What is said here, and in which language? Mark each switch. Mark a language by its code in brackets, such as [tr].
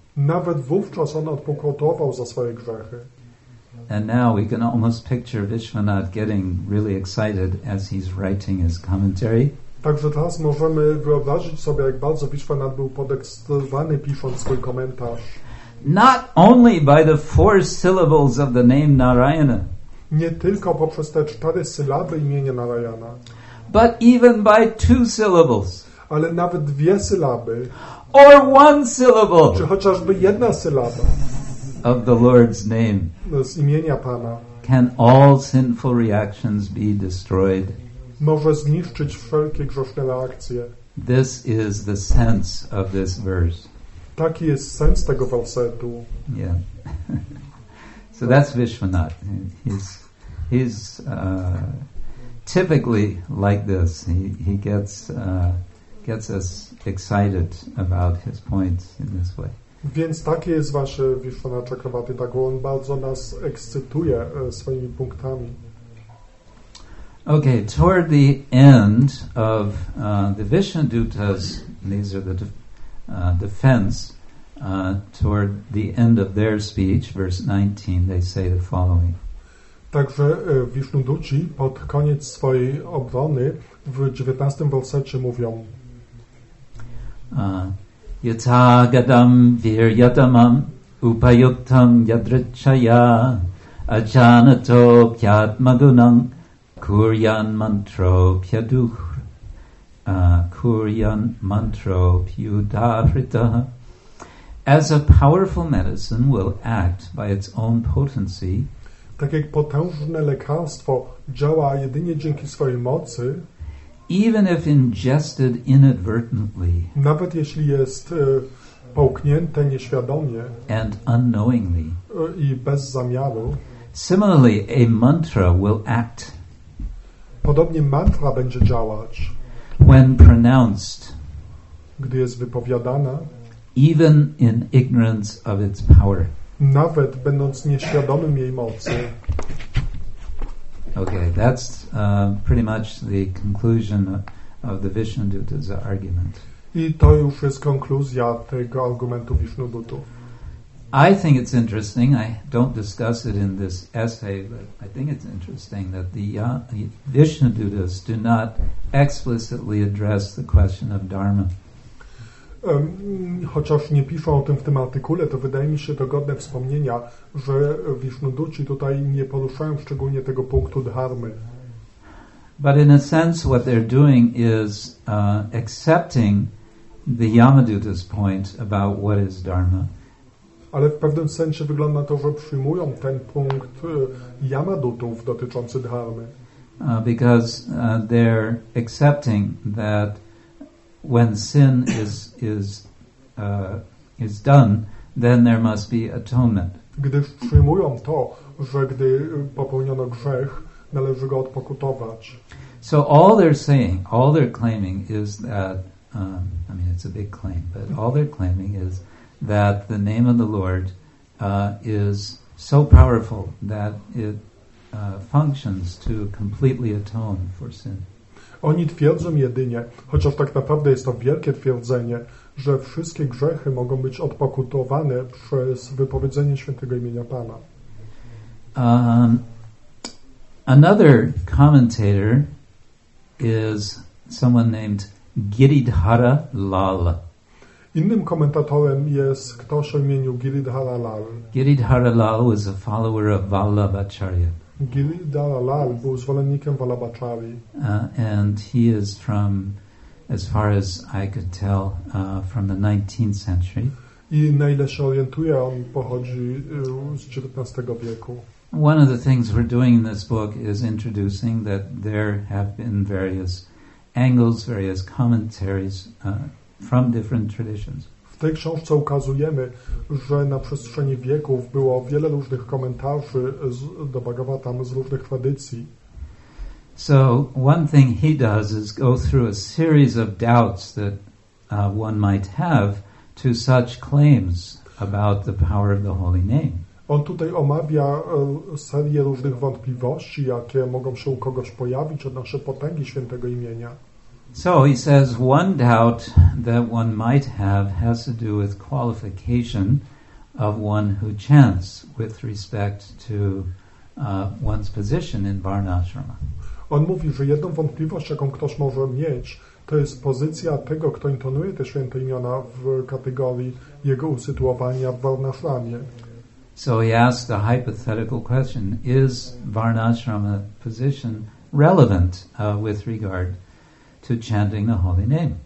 [pl] Nawet wówczas on odpokutował za swoje grzechy. [en] And now we can almost picture Viśvanātha getting really excited as he's writing his commentary. [pl] Także teraz możemy wyobrazić sobie, jak bardzo Viśvanātha był podekscytowany pisząc swój komentarz. [en] Not only by the four syllables of the name Narayana. [pl] Nie tylko poprzez te cztery sylaby imienia Narayana. [en] But even by two syllables. [pl] Ale nawet dwie sylaby. [en] Or one syllable. [pl] Czy chociażby jedna sylaba. [en] Of the Lord's name. [pl] Z imienia Pana. [en] Can all sinful reactions be destroyed? [pl] Może zniszczyć wszelkie grzeszne reakcje. [en] This is the sense of this verse. [pl] Taki jest sens tego wersetu. [en] Yeah. So that's Viśvanātha. He's typically like this. He gets us excited about his points in this way. [pl] Więc takie jest wasze Vishwana Chakravarti Thakur. On bardzo nas ekscytuje swoimi punktami. [en] Okay, toward the end of the Vishnadutas, these are the defense, toward the end of their speech, verse 19, they say the following. [pl] Także Vishnuduci pod koniec swojej obrony w 19 wersecie mówią [sa] Yata gadam viryatamam upayuttam yadrachaya ajanato pyatmagunam kuryan mantro pyaduh kuryan mantro pyudahrita. [en] As a powerful medicine will act by its own potency, [pl] tak jak potężne lekarstwo działa jedynie dzięki swojej mocy, [en] even if ingested inadvertently, [pl] nawet jeśli jest połknięte nieświadomie, [en] and unknowingly, [pl] i bez zamiaru, [en] similarly a mantra will act. [pl] Podobnie mantra będzie działać, [en] when pronounced, [pl] gdy jest wypowiadana, [en] even in ignorance of its power, [pl] nawet będąc nieświadomym jej mocy. [en] Okay, that's pretty much the conclusion of the Vishnudutta's argument. [pl] I to już jest konkluzja tego argumentu Vishnudutu. [en] I think it's interesting, I don't discuss it in this essay, but I think it's interesting that the Vishnudutas do not explicitly address the question of dharma. [pl] Chociaż nie piszą o tym w tym artykule, to wydaje mi się to godne wspomnienia, że Vishnuduci tutaj nie poruszają szczególnie tego punktu dharmy. [en] But in a sense what they're doing is accepting the Yamadutta's point about what is dharma. [pl] Ale w pewnym sensie wygląda to, że przyjmują ten punkt Yamadutów dotyczący dharmy. [en] Because they're accepting that when sin is done, then there must be atonement. [pl] Gdyż przyjmują to, że gdy popełniono grzech, należy go odpokutować. [en] So all they're saying, all they're claiming is that, I mean, it's a big claim, but all they're claiming is that the name of the Lord is so powerful that it functions to completely atone for sin. [pl] Oni twierdzą jedynie, chociaż tak naprawdę jest to wielkie twierdzenie, że wszystkie grzechy mogą być odpokutowane przez wypowiedzenie świętego imienia Pana. [en] Another commentator is someone named Giridhara Lal. [pl] Innym komentatorem jest ktoś o imieniu Giridhara Lal. [en] Giridhara Lal was a follower of Vallabhacharya. [pl] Giridhara Lal był zwolennikiem Vallabhacharyi. [en] And he is from, as far as I could tell, from the 19th century. [pl] I na ile się orientuję, on pochodzi z XIX wieku. [en] One of the things we're doing in this book is introducing that there have been various angles, various commentaries from different traditions. [pl] W tej książce ukazujemy, że na przestrzeni wieków było wiele różnych komentarzy do Bhagavatam z różnych tradycji. [en] So one thing he does is go through a series of doubts that one might have to such claims about the power of the holy name. [pl] On tutaj omawia serię różnych wątpliwości, jakie mogą się u kogoś pojawić odnośnie potęgi świętego imienia. [en] So he says one doubt that one might have has to do with qualification of one who chants with respect to one's position in Varnashrama. [pl] On mówi, że jedną wątpliwość, jaką ktoś może mieć, to jest pozycja tego, kto intonuje te święte imiona w kategorii jego usytuowania w Varnashramie. [en] So he asks the hypothetical question, is Varnashrama position relevant with regard to chanting the holy name.